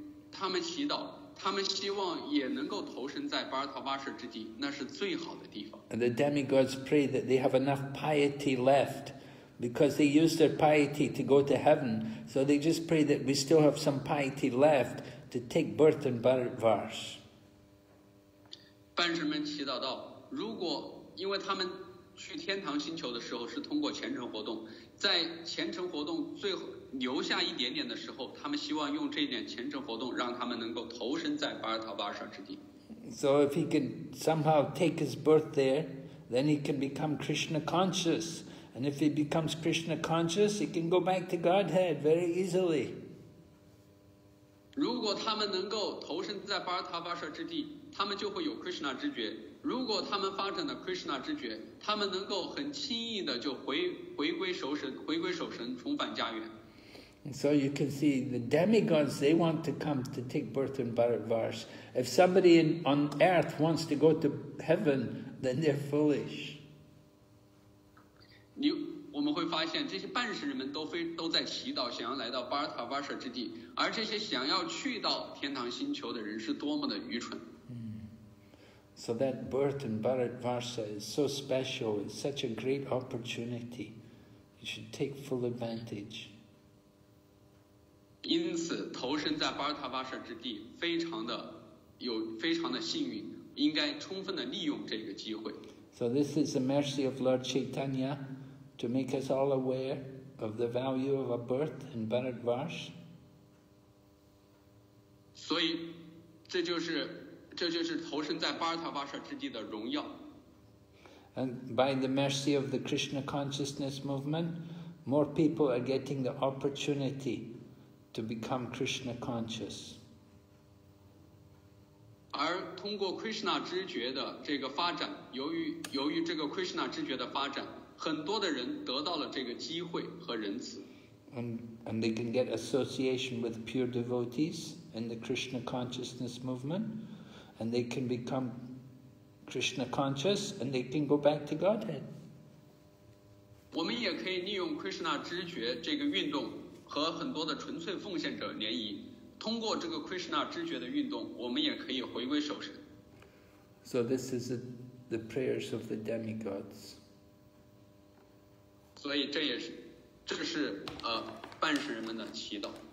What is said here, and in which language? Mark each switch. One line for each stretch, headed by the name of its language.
Chinese: 他们祈祷，他们希望也能够投身在巴尔塔巴舍之地，那是最好的地方。
English: And the demigods pray that they have enough piety left, because they use their piety to go to heaven. So they just pray that we still have some piety left to take birth in Bharatvarsha.
Chinese: 半神们祈祷道，如果因为他们去天堂星球的时候是通过虔诚活动，在虔诚活动最后留下一点点的时候，他们希望用这点虔诚活动让他们能够投身在巴尔塔巴舍之地。
English: So if he can somehow take his birth there, then he can become Krishna conscious. And if he becomes Krishna conscious, he can go back to Godhead very easily.
Chinese: 如果他们能够投身在巴尔塔巴舍之地，他们就会有 Krishna 知觉。如果他们发展了 Krishna 知觉，他们能够很轻易的就回归守神，重返家园。
English: So you can see the demigods, they want to come to take birth in Bharatvarsha. If somebody on earth wants to go to heaven, then they're foolish.
Chinese: 我们会发现这些半神人们都在祈祷，想要来到巴尔塔巴舍之地，而这些想要去到天堂星球的人是多么的愚蠢。
English: So that birth in Bharatvarsha is so special, it's such a great opportunity. You should take full advantage.
Chinese: 因此投身在巴尔塔巴舍之地非常的幸运，应该充分地利用这个机会。
English: So this is the mercy of Lord Chaitanya to make us all aware of the value of a birth in Bharatvarsh.
Chinese: 所以这就是投身在巴尔塔巴舍之地的荣耀。
English: And by the mercy of the Krishna consciousness movement, more people are getting the opportunity to become Krishna conscious.
Chinese: 而通过 Krishna 知觉的这个发展，由于这个 Krishna 知觉的发展，很多的人得到了这个机会和仁慈。
English: And they can get association with pure devotees in the Krishna consciousness movement, and they can become Krishna conscious, and they can go back to Godhead.
Chinese: 我们也可以利用 Krishna 知觉这个运动和很多的纯粹奉献者联谊，通过这个 Krishna 知觉的运动，我们也可以回归守身。
English: So this is the prayers of the demigods.
Chinese: 所以这是半世人们的祈祷。